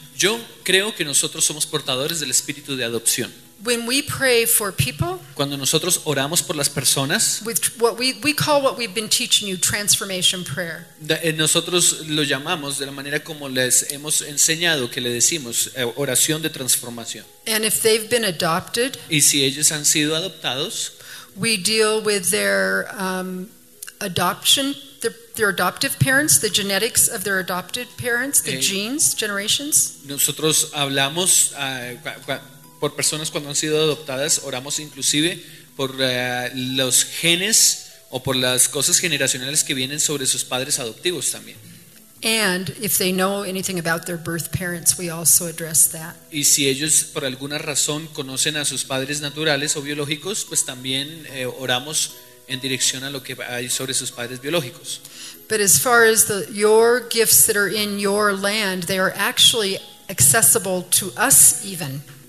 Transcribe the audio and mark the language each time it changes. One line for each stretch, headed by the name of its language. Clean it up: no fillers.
Spanish: Yo creo que nosotros somos portadores del espíritu de adopción.
English: When we pray for people,
Spanish: cuando nosotros oramos por las personas,
English: with what we call what we've been teaching you, transformation prayer.
Spanish: Nosotros lo llamamos de la manera como les hemos enseñado, que le decimos oración de transformación.
English: And if they've been adopted,
Spanish: y si ellos han sido adoptados,
English: we deal with their adoption. Their adoptive parents, the genetics of their adopted parents, the genes, generations.
Spanish: Nosotros hablamos por personas cuando han sido adoptadas, oramos inclusive por los genes o por las cosas generacionales que vienen sobre sus padres adoptivos también.
English: And if they know anything about their birth parents, we also address that.
Spanish: Y si ellos por alguna razón conocen a sus padres naturales o biológicos, pues también oramos en dirección a lo que hay sobre sus padres biológicos.
English: But as far as your gifts that are in your land, they are actually accessible to us even.